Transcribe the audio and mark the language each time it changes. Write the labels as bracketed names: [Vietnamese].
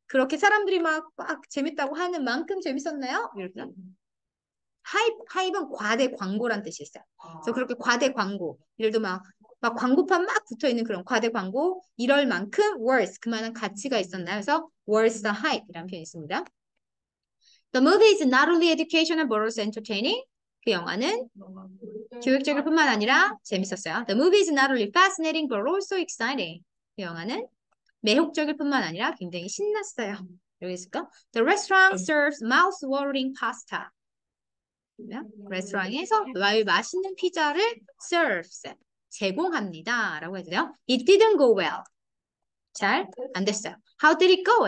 [Korean] 그렇게 사람들이 막꽉 재밌다고 하는 만큼 재밌었나요? 이렇게 하이브는 과대 광고란 뜻이 있어요. 그래서 그렇게 과대 광고, 예를 들어 막 광고판 막 붙어 있는 그런 과대 광고 이럴 만큼 worth 그만한 가치가 있었나요? 그래서 worth the hype 이란 표현이 있습니다. [English] The movie is not only educational but also entertaining. [Korean] 그 영화는 교육적일 뿐만 아니라 재밌었어요. [English] The movie is not only fascinating but also exciting. [Korean] 그 영화는 매혹적일 뿐만 아니라 굉장히 신났어요. 여기 있을까? [English] The restaurant serves mouth-watering pasta. [Korean] 레스토랑에서 매우 맛있는 피자를 serves 제공합니다라고 해주세요. [English] It didn't go well. [Korean] 잘안 됐어요. [English] How did it go?